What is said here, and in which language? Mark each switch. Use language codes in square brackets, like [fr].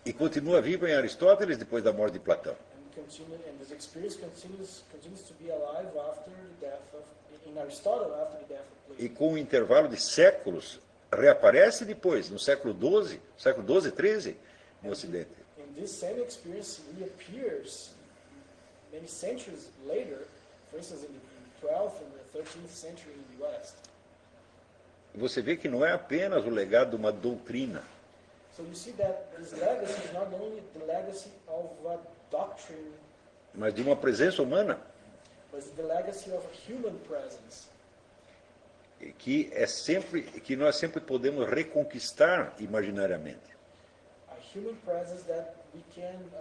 [pt] E continua vivo em Aristóteles depois da morte de Platão. [en] And this experience continues to be alive after the death of in Aristotle after the death of Plato. [pt] E com um intervalo de séculos reaparece depois no século 12, século 12, 13 no Ocidente. [en] And this same experience reappears many centuries later, for instance in the 12th and the 13th century in the West. [pt] Você vê que não é apenas o legado de uma doutrina. [en] So you see that this legacy is not only the legacy of a doctrine, [pt] mas de uma presença humana. [en] But the legacy of a human presence. [pt] Que é sempre, que nós sempre podemos reconquistar imaginariamente. [en] A human presence that we can